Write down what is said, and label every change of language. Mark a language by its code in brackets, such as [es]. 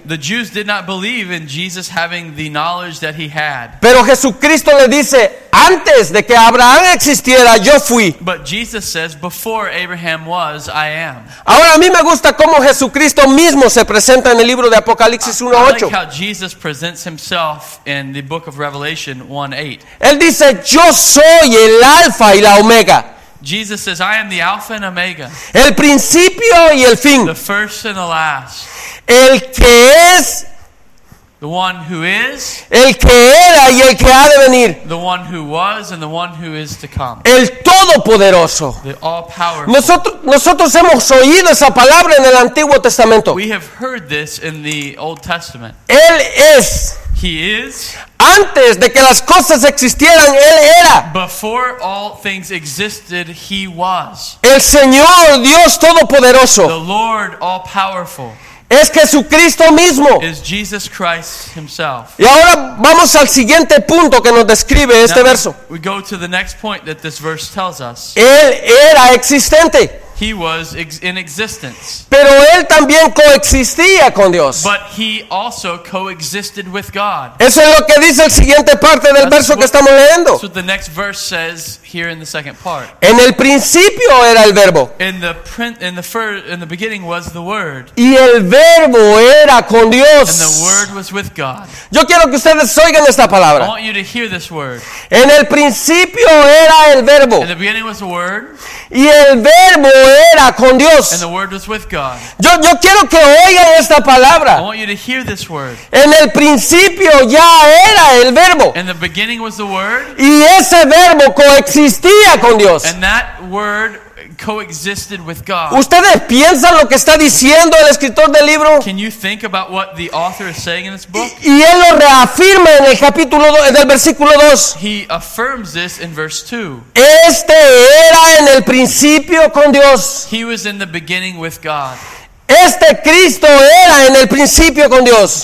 [en] The Jews did not believe in Jesus having the knowledge that he had. [es] Pero Jesucristo le dice, antes de que Abraham existiera, yo fui. [en] But Jesus says, before Abraham was, I am. [es] Ahora a mí me gusta cómo Jesucristo mismo se presenta en el libro de Apocalipsis 1:8. [en] I like how Jesus presents himself in the book of Revelation 1:8. [es] Él dice, yo soy el Alfa y la Omega. [en] Jesus says, I am the Alpha and Omega. [es] El principio y el fin. [en] The first and the last. [es] El que es. [en] The one who is. [es] El que era y el que ha de venir. [en] The one who was and the one who is to come. [es] El todopoderoso. [en] The all-powerful. [es] Nosotros hemos oído esa palabra en el Antiguo Testamento. [en] We have heard this in the Old Testament. [es] Él es. [en] He is. [es] Antes de que las cosas existieran, él era. [en] Before all things existed, he was. [es] El Señor Dios Todopoderoso. [en] The Lord all powerful. [es] Es Jesucristo mismo. [en] Is Jesus Christ himself. [es] Y ahora vamos al siguiente punto que nos describe este verso. [en] We go to the next point that this verse tells us. [es] Él era existente. [en] He was in existence. [es] Pero él también coexistía con Dios. [en] But he also coexisted with God. [es] Eso es lo que dice el siguiente parte del verso que estamos leyendo. [en] So the next verse says here in the second part. [es] En el principio era el verbo. [en] In the beginning was the word. [es] Y el verbo era con Dios. [en] And the word was with God. [es] Yo quiero que ustedes oigan esta palabra. [en] I want you to hear this word. [es] En el principio era el verbo. [en] In the beginning was the word. [es] Y el verbo era con Dios. [en] And the word was with God. [es] Yo quiero que oigan esta palabra. [en] I want you to hear this word. [es] En el principio ya era el verbo. [en] And the beginning was the word. [es] Y ese verbo coexistía con Dios. [en] And that word coexisted with God. [es] ¿Ustedes piensan lo que está diciendo el escritor del libro? [en] Can you think about what the author is saying in this book? [es] Y él lo reafirma en el capítulo 2, en el versículo 2. [en] He affirms this in verse 2. [es] Este era en el principio con Dios. [en] He was in the beginning with God. [es] Este Cristo era en el principio con Dios.